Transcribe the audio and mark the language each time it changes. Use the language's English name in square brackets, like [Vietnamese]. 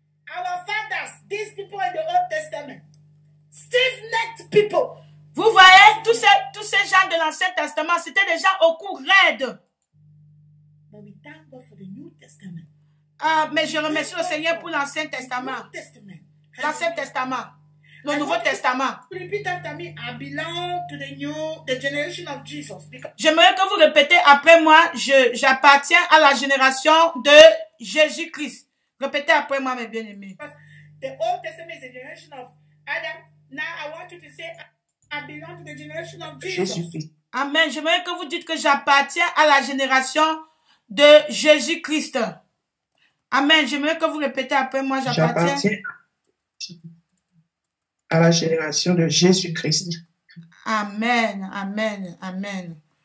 [English] Our fathers, these people in the Old Testament, stiff-necked people. [French] Vous voyez, tous ces gens de l'Ancien Testament, c'était des gens au cou raide. [English] But we thank God for the New Testament. [French] Mais je remercie le Seigneur pour l'Ancien Testament. [English] New Testament. [French] L'Ancien Testament. Le Nouveau Testament. [English] Repeat after me, I belong to the generation of Jesus. [French] J'aimerais que vous répétez après moi, j'appartiens à la génération de Jésus-Christ. Répétez après moi, mes bien-aimés. [English] The Old Testament is the generation of Adam. Now I want you to say, I belong to the generation of Jesus. Amen. [French] J'aimerais que vous dites que j'appartiens à la génération de Jésus-Christ. Amen. J'aimerais que vous répétez après moi, j'appartiens à la génération de Jésus-Christ. Amen. Amen. Amen.